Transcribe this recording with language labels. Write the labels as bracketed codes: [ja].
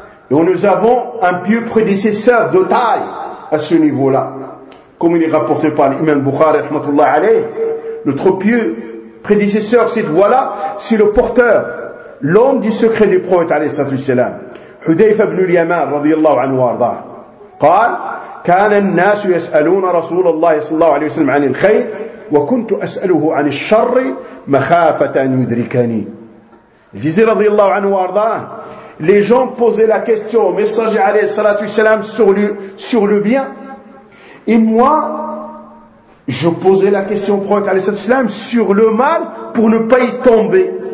[fr] Donc nous avons un pieux prédécesseur de taille à ce niveau-là. Comme il est rapporté par l'imam Bukhari, rahmatullah alayh, notre pieux prédécesseur, cette voix-là, c'est le porteur, l'homme du secret du prophète, alayhi salam. [ar] حذيفة بن اليمان رضي الله عنه وارضاه قال كان الناس يسألون رسول الله صلى الله عليه وسلم عن الخير وكنت أسأله عن الشر مخافة أن يدركني. الجزي رضي الله عنه وارضاه [fr] les gens posaient la question au messager [ar] عليه الصلاة والسلام [fr] sur le bien et moi je posais la question au prophète عليه الصلاة والسلام sur le mal pour ne pas y tomber.